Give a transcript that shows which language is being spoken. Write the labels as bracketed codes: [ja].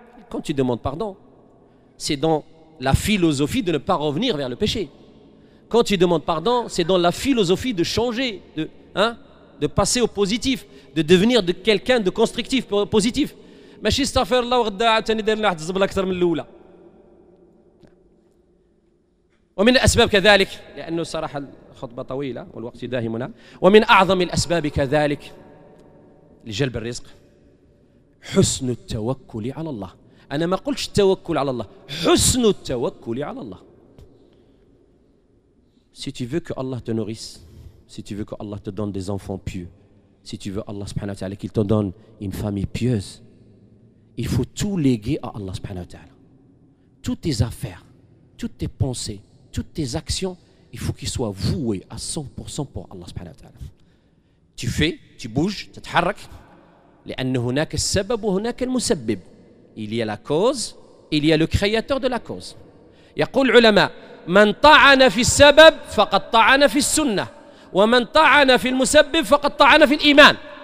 [fr] Quand tu demandes pardon, c'est dans la philosophie de ne pas revenir vers le péché. Quand tu demandes pardon, c'est dans la philosophie de changer, de passer au positif, de devenir de quelqu'un de constructif, positif. [ar] ماشي استغفر الله وغدا عاوتاني دير لي واحد الزبل اكثر من الاولى. ومن الاسباب كذلك، لانه صراحه الخطبه طويله والوقت داهمنا، ومن اعظم الاسباب كذلك لجلب الرزق حسن التوكل على الله. انا ما قلتش التوكل على الله، حسن التوكل على الله. [fr] Si tu veux que Allah te nourrisse, si tu veux que Allah te donne des enfants pieux, si tu veux Allah subhanahu wa ta'ala qu'il te donne une famille pieuse, il faut tout léguer à Allah subhanahu wa ta'ala. Toutes tes affaires, toutes tes pensées, toutes tes actions, il faut qu'ils soient voués à 100% pour Allah subhanahu wa ta'ala. Tu fais, tu bouges, tu te harakes, [ar] لأنه هناك السبب وهناك المسبب. [fr] Il y a la cause, il y a le créateur de la cause. [ar] يقول العلماء: من طعن في السبب فقد طعن في السنة ومن طعن في المسبب فقد طعن في الإيمان.